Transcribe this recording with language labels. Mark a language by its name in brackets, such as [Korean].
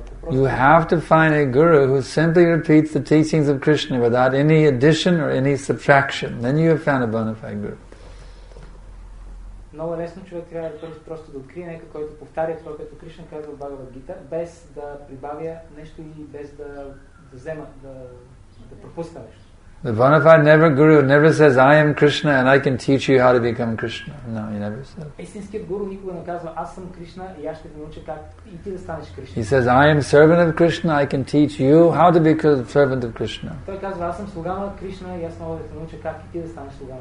[English] You have to find a guru who simply repeats the teachings of Krishna without any addition or any subtraction. Then you have found a bona fide guru. [Bulgarian] Много лесно човек трябва да бъде просто да открие нека, който повтаря това, което Кришна казва в Бхагавад Гита, без да прибавя нещо и без да взема, да пропуска нещо. [English] The bona fide never guru never says, I am Krishna and I can teach you how to become Krishna. No, he never says. [Bulgarian] Истинският гуру никога не казва, аз съм Кришна и аз ще те науча как и ти да станеш Кришна. [English] He says, I am servant of Krishna, I can teach you how to become servant of Krishna. [Bulgarian] Той казва, аз съм слуга на Кришна и аз мога да те науча как и ти да станеш слуга на